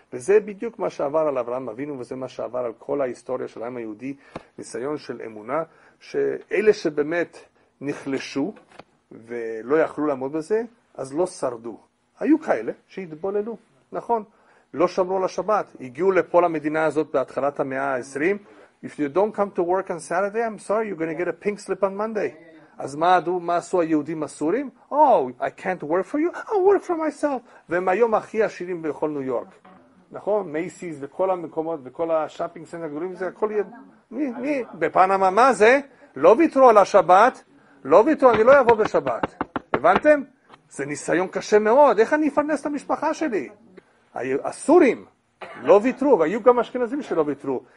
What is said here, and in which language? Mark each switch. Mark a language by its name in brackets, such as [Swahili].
[Hebrew] וזה בדיוק מה שעבר על אברהם אבינו, וזה מה שעבר על כל ההיסטוריה של העם היהודי, ניסיון של אמונה, שאלה שבאמת נחלשו ולא יכלו לעמוד בזה, אז לא שרדו. היו כאלה שהתבוללו, נכון? לא שמרו על השבת, הגיעו לפה למדינה הזאת בהתחלת המאה ה-20, [English] If you don't come to work on Saturday, I'm sorry, you're going to get a pink slip on Monday. [Hebrew] אז מה עשו היהודים הסורים? [English] Oh, I can't work for you, I'll work for myself. [Hebrew] והם היום הכי עשירים בכל ניו יורק. נכון? Macy's וכל המקומות וכל השאפינג סנטר הגדולים, זה הכל יהיה... מי? בפנמה, מה זה? לא ויתרו על השבת, לא ויתרו, אני לא אבוא בשבת. הבנתם? זה ניסיון קשה מאוד, איך אני אפרנס את המשפחה שלי? הסורים לא ויתרו, והיו גם אשכנזים שלא ויתרו.